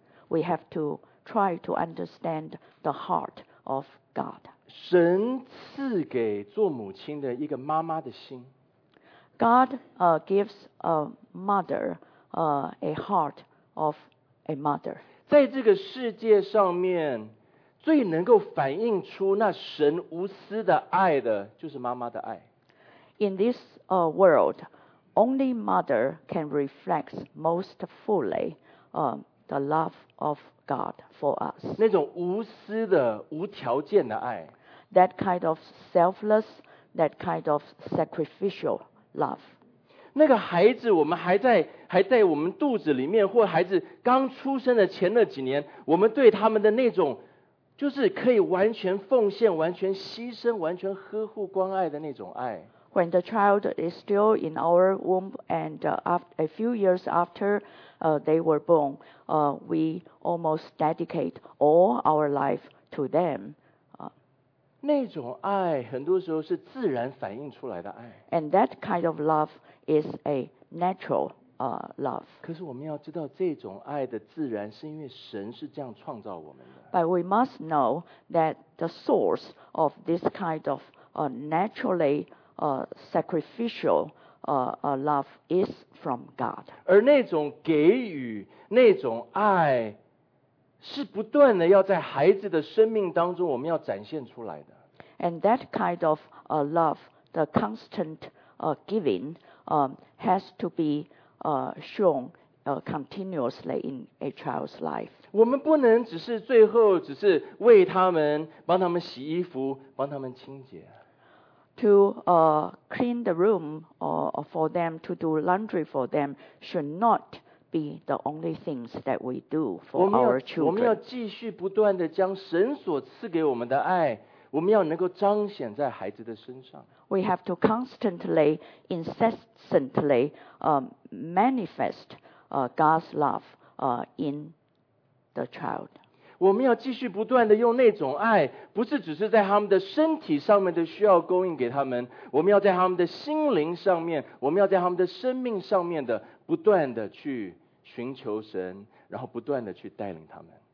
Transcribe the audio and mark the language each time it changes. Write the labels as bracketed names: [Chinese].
[English] We have to try to understand the heart of God. [Chinese] 神赐给做母亲的一个妈妈的心。 [English] God gives a mother a heart of a mother. [Chinese] 在这个世界上面，最能够反映出那神无私的爱的，就是妈妈的爱。 [English] In this world, only mother can reflect most fully the love of God for us. [Chinese] 那种无私的、无条件的爱。 [English] That kind of selfless, that kind of sacrificial love. [Chinese] 那个孩子，我们还在我们肚子里面，或孩子刚出生的前那几年，我们对他们的那种，就是可以完全奉献、完全牺牲、完全呵护、关爱的那种爱。 [English] When the child is still in our womb and after a few years after they were born, we almost dedicate all our life to them. [Chinese] 那种爱很多时候是自然反映出来的爱。 [English] And that kind of love is a natural love. [Chinese] 可是我们要知道这种爱的自然是因为神是这样创造我们的。 [English] But we must know that the source of this kind of naturally sacrificial love is from God. [Chinese] 而那种给予，那种爱是不断的要在孩子的生命当中我们要展现出来的。 [English] And that kind of love, the constant giving, has to be shown continuously in a child's life. [Chinese] 我们不能只是最后只是为他们帮他们洗衣服帮他们清洁。 [English] To clean the room for them, to do laundry for them, should not be the only things that we do for our children. [Chinese] 我们要继续不断地将神所赐给我们的爱我们要能够彰显在孩子的身上。 [English] We have to constantly, incessantly manifest God's love in the child. [Chinese] 我们要继续不断地用那种爱，不是只是在他们的身体上面的需要供应给他们，我们要在他们的心灵上面，我们要在他们的生命上面的不断地去寻求神，然后不断地去带领他们。